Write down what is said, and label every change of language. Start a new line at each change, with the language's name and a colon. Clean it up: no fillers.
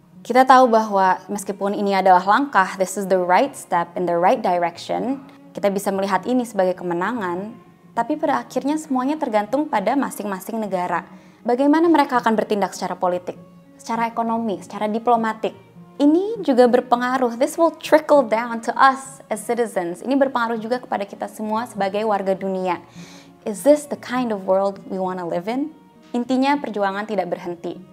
Indonesian: Kita tahu bahwa meskipun ini adalah langkah,
English: this is the right step in the right direction,
Indonesian: kita bisa melihat ini sebagai kemenangan, tapi pada akhirnya semuanya tergantung pada masing-masing negara. Bagaimana mereka akan bertindak secara politik, secara ekonomi, secara diplomatik. Ini juga berpengaruh,
English: this will trickle down to us as citizens.
Indonesian: Ini berpengaruh juga kepada kita semua sebagai warga dunia.
English: Is this the kind of world we want to live in?
Indonesian: Intinya perjuangan tidak berhenti.